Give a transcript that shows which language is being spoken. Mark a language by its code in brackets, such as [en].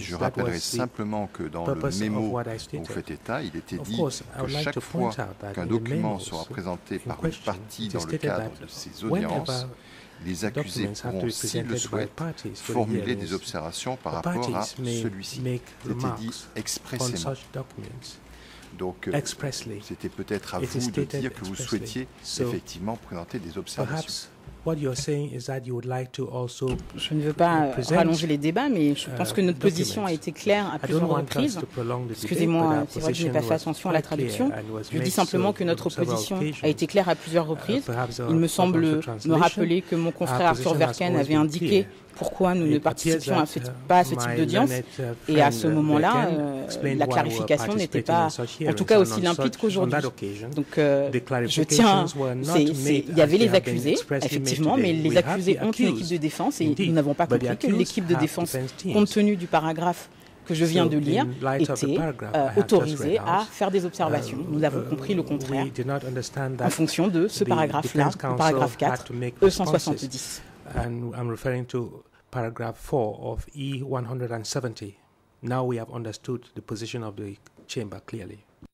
[fr] Je rappellerai simplement que dans le mémo dont vous faites état, il était dit que chaque fois qu'un document sera présenté par une partie dans le cadre de ces audiences, les accusés pourront, s'ils le souhaitent, formuler des observations par rapport à celui-ci. C'était dit expressément. Donc, c'était peut-être à vous de dire que vous souhaitiez effectivement présenter des observations. [en] What you're saying is that you would like to also [fr] je ne veux pas rallonger les débats, mais je pense que notre position a été claire à plusieurs reprises. Excusez-moi, c'est vrai que je n'ai pas fait attention à la traduction. Je dis simplement que notre position a été claire à plusieurs reprises. Il me semble me rappeler que mon confrère Arthur Verken avait indiqué pourquoi nous ne participions pas à ce type d'audience. Et à ce moment-là, la clarification n'était pas, en tout cas, aussi limpide qu'aujourd'hui. Donc, je tiens, il y avait les accusés, effectivement, mais les accusés ont une équipe de défense et nous n'avons pas compris que l'équipe de défense, compte tenu du paragraphe que je viens de lire, était autorisé à faire des observations. Nous avons compris le contraire en fonction de ce paragraphe-là, paragraphe 4, E-170. [en] And I'm referring to paragraph 4 of E-170. Now we have understood the position of the chamber clearly.